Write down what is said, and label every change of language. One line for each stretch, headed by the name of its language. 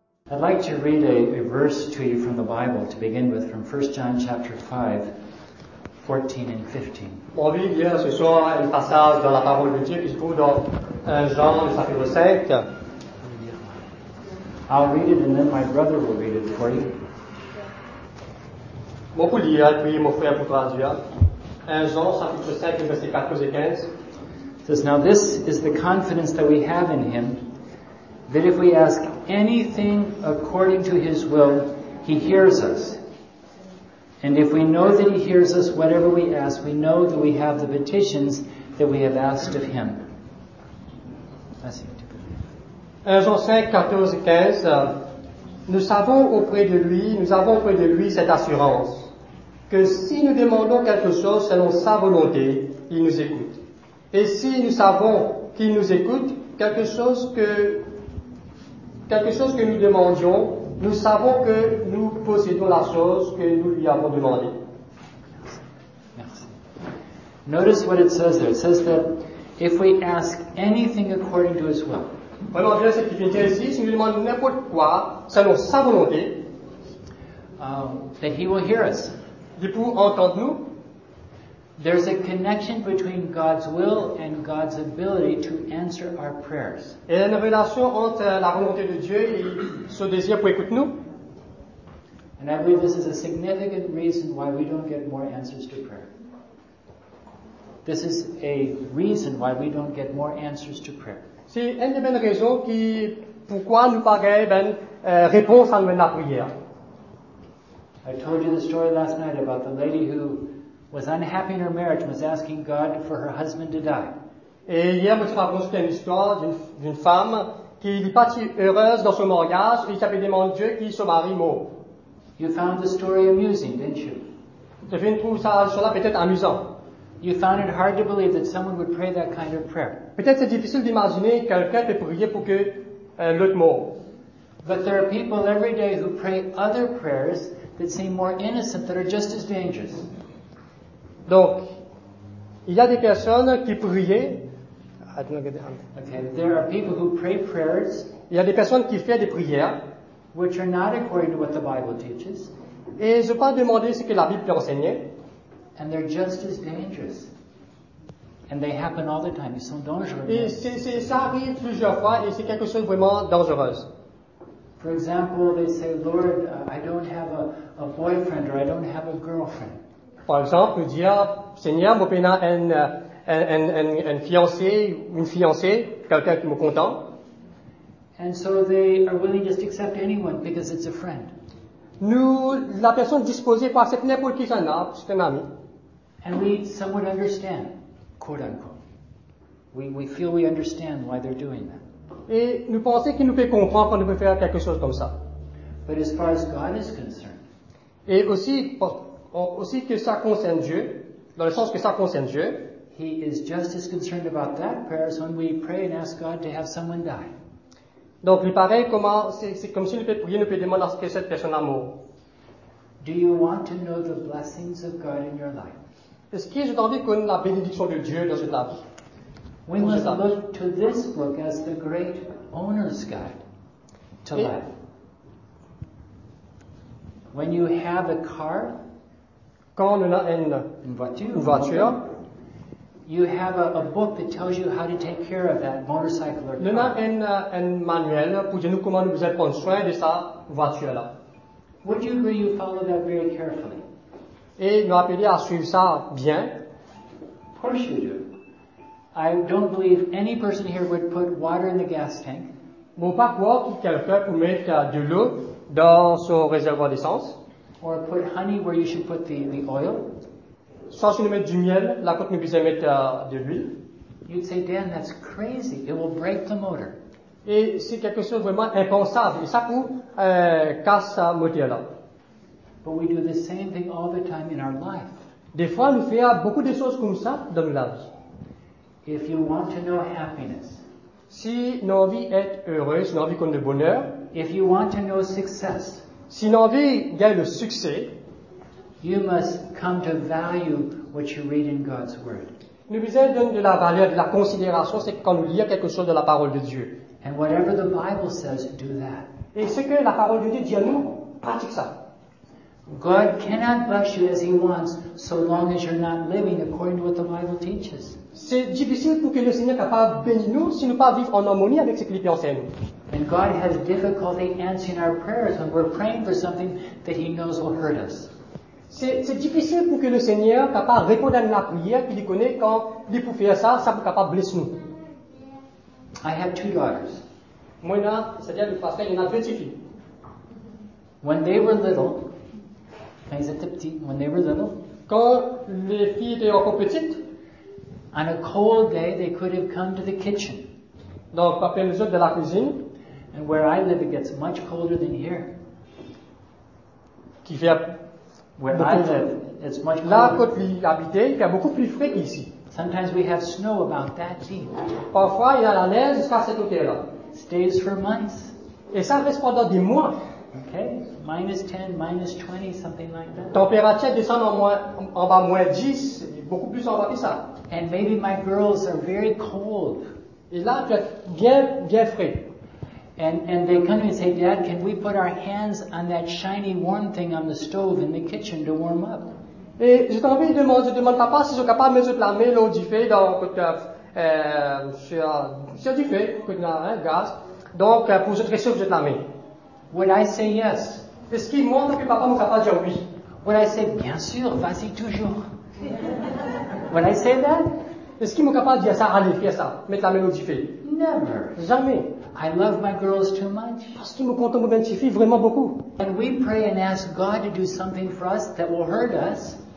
English: I'd like to read a verse to you from the Bible to begin with, from 1 John chapter 5, 14 and 15.
French: On lit hier ce soir un passage dans la parole de Dieu qui se trouve dans 1 Jean chapitre 5.
English: I'll read it and then my brother will read it for you.
French: Beaucoup lire, puis mon frère pour traduire. 1 Jean chapitre 5, verset 14 et 15.
English: Now this is the confidence that we have in him, that if we ask anything according to his will, he hears us. And if we know that he hears us, whatever we ask, we know that we have the petitions that we have asked of him.
French: 1 Jean 5, 14 et 15. Nous savons auprès de lui, nous avons auprès de lui cette assurance, que si nous demandons quelque chose selon sa volonté, il nous écoute. Et si nous savons qu'il nous écoute, quelque chose que nous demandions, nous savons que nous possédons la chose que nous lui avons demandé. Merci.
English: Notice what it says there. It says that if we ask anything according to his will.
French: Vraiment bien ce qui vient dire ici, si nous demandons n'importe quoi selon sa volonté,
English: that he will hear us.
French: Il peut entendre nous.
English: There's a connection between God's will and God's ability to answer our prayers.
French: Il y a une relation entre la volonté de Dieu et son désir pour écouter nous.
English: And I believe this is a significant reason why we don't get more answers to prayer. This is a reason why we don't get more answers to prayer.
French: C'est une des bonnes raisons qui pourquoi nous paraît bonne réponse à la prière.
English: I told you the story last night about the lady who was unhappy in her marriage, was asking God for her husband to die.
French: Et hier, je vous ai raconté une histoire d'une femme qui n'est pas si heureuse dans son mariage et qui avait demandé à Dieu que son mari meure.
English: You found the story amusing, didn't you?
French: Tu as trouvé ça, cela peut-être amusant.
English: You found it hard to believe that someone would pray that kind of prayer.
French: Peut-être c'est difficile d'imaginer quelqu'un peut prier pour que l'autre meure.
English: But there are people every day who pray other prayers that seem more innocent, that are just as dangerous.
French: Donc, il y a des personnes qui priaient.
English: I don't get the hand. Okay, there are people who pray prayers.
French: Il y a des personnes qui font des prières.
English: Which are not according to what the Bible teaches.
French: Et je peux demander ce que la Bible peut enseigner.
English: And they're just as dangerous. And they happen all the time.
French: Ils sont dangereux. Et c'est, ça arrive plusieurs fois et c'est quelque chose de vraiment dangereux.
English: For example, they say, Lord, I don't have a boyfriend or I don't have a girlfriend.
French: Par exemple, nous dire, Seigneur, je peux un fiancé, une fiancée, quelqu'un qui me content.
English: And so they are willing just to accept anyone because it's a friend.
French: Nous, la personne disposée pour accepter n'importe qui, c'est un ami.
English: And we somewhat understand, quote unquote. We feel we understand why they're doing that.
French: Et nous pensons qu'il nous peut comprendre quand on peut faire quelque chose comme ça.
English: But as far as God is concerned.
French: Et aussi que ça concerne Dieu, dans le sens que ça concerne Dieu.
English: He is just as concerned about that prayer as when we pray and ask God to have someone die.
French: Donc, il paraît comment c'est comme si nous prions, nous demandons à ce que cette personne meure.
English: Do you want to know the blessings of God in your life?
French: Est-ce que j'ai envie de connaître la bénédiction de Dieu dans cette vie?
English: We must look to this book as the great owner's guide to life. When you have a car.
French: Quand on a une voiture,
English: you have a book that tells you how to take care of that motorcycle or car.
French: On a un manuel pour dire comment nous devons prendre soin de sa voiture-là.
English: Would you agree you follow that very carefully?
French: Et nous appeler à suivre ça bien?
English: Of course you do. I don't believe any person here would put water in the gas tank.
French: Je ne crois pas que quelqu'un peut mettre de l'eau dans son réservoir d'essence.
English: Or put honey where you should put the oil.
French: Soit si nous mettons du miel, là quand nous puissions mettre de l'huile.
English: You'd say, Dan, that's crazy. It will break the motor.
French: Et c'est quelque chose de vraiment impensable. Et ça peut casser ce moteur-là.
English: But we do the same thing all the time in our life.
French: Des fois, nous faisons beaucoup de choses comme ça dans notre vie.
English: If you want to know happiness.
French: Si nos vies sont heureuses, si nos vies ont le bonheur.
English: If you want to know success.
French: Si nos vies gagnent le succès.
English: You must come to value what you read in God's word.
French: Nous devons donner de la valeur, de la considération, c'est quand nous lisons quelque chose de la parole de Dieu.
English: And whatever the Bible says, do that.
French: Et ce que la parole de Dieu dit à nous, pratique ça.
English: God cannot bless you as he wants so long as you're not living according to what the Bible teaches.
French: C'est difficile pour que le Seigneur capable bénir nous si nous pas vivre en harmonie avec ce qu'il enseigne.
English: And God has difficulty answering our prayers when we're praying for something that he knows will hurt us.
French: C'est difficile pour que le Seigneur capable répondre à la prière qu'il connaît quand il pour faire ça, ça peut capable blesser nous.
English: I have two daughters.
French: Moi là, c'est-à-dire le pasteur, il y en a deux petites filles.
English: When they were little,
French: quand elles étaient petites,
English: when they were little,
French: quand les filles étaient encore petites,
English: on a cold day, they could have come to the kitchen.
French: Donc, après les autres de la cuisine.
English: And where I live, it gets much colder than here.
French: Qui fait
English: where I live, it's much
French: là,
English: colder.
French: Là, quand habitait, il y a beaucoup plus frais qu'ici.
English: Sometimes we have snow about that deep.
French: Parfois, il y a la neige jusqu'à cette hauteur-là.
English: Stays for months.
French: Et ça reste pendant des mois.
English: Okay, minus 10, minus 20, something like that.
French: Température descend en bas moins 10, beaucoup plus en bas que ça.
English: And maybe my girls are very cold.
French: Et là, tu es bien frais.
English: And they come and say, Dad, can we put our hands on that shiny warm thing on the stove in the kitchen to warm up?
French: Et j'ai envie de demander papa s'ils sont capables de mettre la main là où tu fais dans côté sur du feu, côté là, hein, gaz. Donc pour se réchauffer, mettre la main.
English: Would I say yes?
French: Est-ce qu'il me demande que papa me capable de dire oui?
English: Would I say
French: bien sûr, vas-y toujours.
English: Would I say that?
French: Est-ce qu'il me capable de dire ça, allez, fais ça, mettre la main là où tu fais?
English: Never.
French: Jamais.
English: I love my girls too much.
French: Parce qu'ils me comptent mes petites filles vraiment beaucoup.
English: And we pray and ask God to do something for us that will hurt us.